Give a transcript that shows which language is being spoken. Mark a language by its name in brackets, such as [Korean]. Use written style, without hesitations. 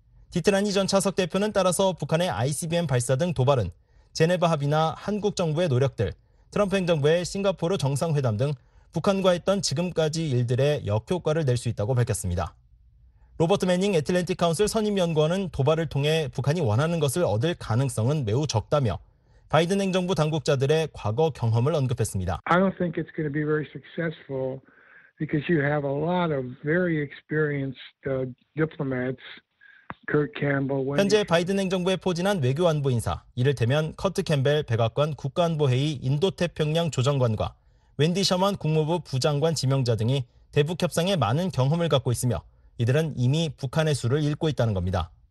[Korean] 디트라니 전 차석 대표는 따라서 북한의 ICBM 발사 등 도발은 제네바 합의나 한국 정부의 노력들, 트럼프 행정부의 싱가포르 정상회담 등 북한과 했던 지금까지 일들의 역효과를 낼 수 있다고 밝혔습니다. 로버트 매닝 애틀랜틱 카운슬 선임연구원은 도발을 통해 북한이 원하는 것을 얻을 가능성은 매우 적다며 바이든 행정부 당국자들의 과거 경험을 언급했습니다. [English] I don't think it's going to be very successful because you have a lot of very experienced diplomats. Kurt Campbell. [Korean] 현재 바이든 행정부에 포진한 외교안보 인사, 이를테면 커트 캠벨 백악관 국가안보회의 인도태평양 조정관과 웬디 셔먼 국무부 부장관 지명자 등이 대북 협상에 많은 경험을 갖고 있으며 이들은 이미 북한의 수를 읽고 있다는 겁니다.